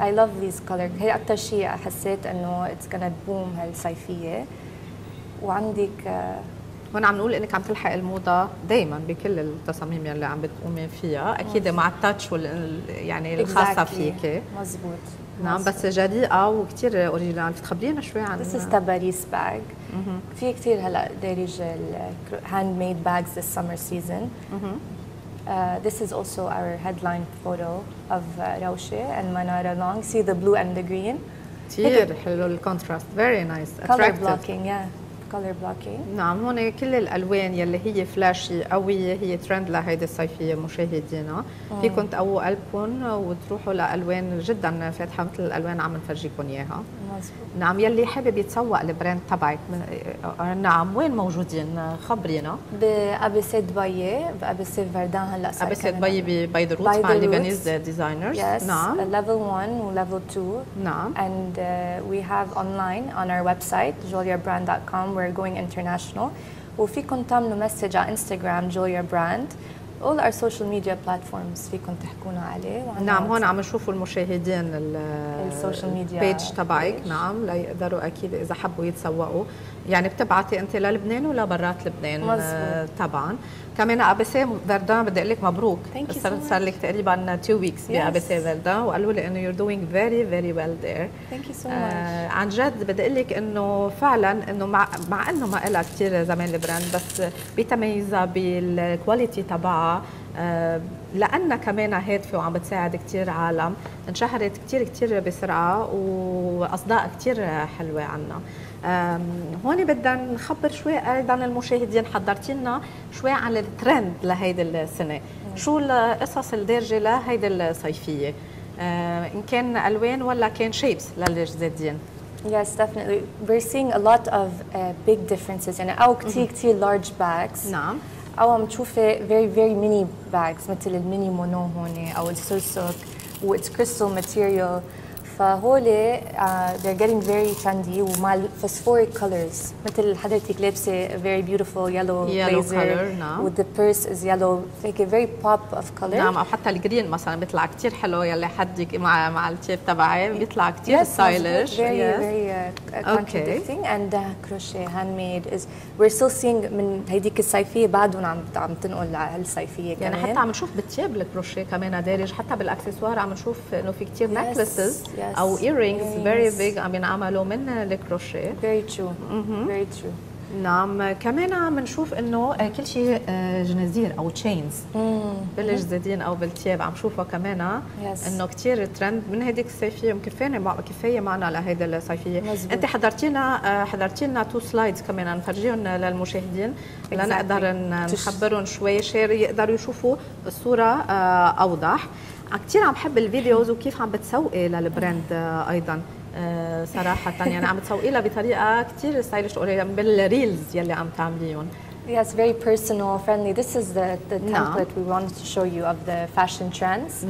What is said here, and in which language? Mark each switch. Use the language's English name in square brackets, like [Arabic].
[Arabic] اي لاف ذيس كلر هي اكثر شيء حسيت انه اتس غانا بوم هالصيفيه وعندك هون عم نقول انك عم تلحق الموضه دائما بكل التصاميم يلي عم بتقومي فيها اكيد مع التاتش وال يعني الخاصه فيك مزبوط نعم بس جريئه وكثير اوريجينال بتخبرينا شوي عن [English] This is Tabaris bag [Arabic] في كثير هلا دارج [English] hand made bags this summer season This is also our headline photo of Rauche and Manara Long see the blue and the green [Arabic] كثير حلو الكونتراست [English] very nice attractive color blocking yeah color blocking [Arabic] نعم هون كل الالوان يلي هي فلاشي قويه هي ترند لهيدي الصيفيه مشاهدينا فيكم تقووا قلبكم وتروحوا لالوان جدا فاتحه مثل الالوان عم نفرجيكم اياها مزبوط نعم يلي حابب يتسوق البراند تبعك نعم وين موجودين خبرينا بابيسي دبي بابيسي فردان هلا صار ابيسي دبي ببيروت مع اللبنانيز ديزاينرز [English] yes. [Arabic] نعم ليفل 1 وليفل 2 نعم [English] And we have online on our website joliabrand.com We're going international. [Arabic] وفيكم تعملوا مسج على انستغرام جوليا براند. [English] All our social media platforms [Arabic] فيكم تحكونا عليه. نعم هون عم نشوفوا المشاهدين ال [English] social media [Arabic] page تبعك نعم ليقدروا اكيد اذا حبوا يتسوقوا يعني بتبعتي انت للبنان ولا برات لبنان طبعا. كمان ابيسي فردان بدي اقول لك مبروك. صار لك تقريبا 2 ويكس بابيسي فردان وقالوا لي انه [English] you're doing very very well there. Thank you so much. [Arabic] عن جد بدي اقول لك انه فعلا انه مع انه ما لها كثير زمان البراند بس بتميزها بالكواليتي تبعها لانها كمان هادفه وعم بتساعد كثير عالم انشهرت كثير كثير بسرعه واصداء كثير حلوه عنها. هون بدنا نخبر شوي ايضا المشاهدين حضرتي لنا شوي عن الترند لهيدي السنه شو القصص الدارجه لهيدي الصيفيه ان كان الوان ولا كان شيبس للجديدين [English] Yes, definitely. We're seeing a lot of big differences. [Arabic] يعني أو كتير كتير [English] large bags. [Arabic] نعم. أو عم تشوفي [English] very very mini bags [Arabic] مثل الميني مونو هون أو السوسوك. [English] It's crystal material. [Arabic] فهولي [English] they're getting very trendy ومع phosphoric colors [Arabic] مثل حضرتك لابسة [English] very beautiful yellow blazer color, [Arabic] نعم. [English] with the purse is yellow like a very pop of color [Arabic] نعم أو حتى الجرين مثلا بيطلع كتير حلو يلي حدك مع التيب تبعي بيطلع كتير [English] yes, stylish very yes. very contradicting okay. and crochet handmade is we're still seeing [Arabic] من هيديك الصيفية بعدون عم تنقل على هالصيفية يعني كمان. حتى عم نشوف بالتيب الكروشيه كمان دارج حتى بالاكسسوار عم نشوف انه في كتير [English] yes. necklaces Yes. [Arabic] او [English] earrings very big [Arabic] عم ينعملوا من الكروشيه [English] very true very true [Arabic] نعم كمان عم نشوف انه كل شيء جنازير او [English] chains [Arabic] بالجديدين او بالتياب عم شوفه كمان انه كثير ترند من هذيك الصيفيه. يمكن فين كفايه معنا لهذا الصيفيه. انت حضرتينا تو سلايدز كمان نفرجيهم للمشاهدين لنقدر نخبرهم شوي شير يقدروا يشوفوا الصوره اوضح. كثير عم بحب الفيديوز وكيف عم بتسوقي للبراند ايضا صراحه. يعني عم تسوقي لها بطريقه كثير ستايلش بالريلز يلي عم تعمليهم. [English] Yes, very personal, friendly. This is the template we wanted to show you of the fashion trends.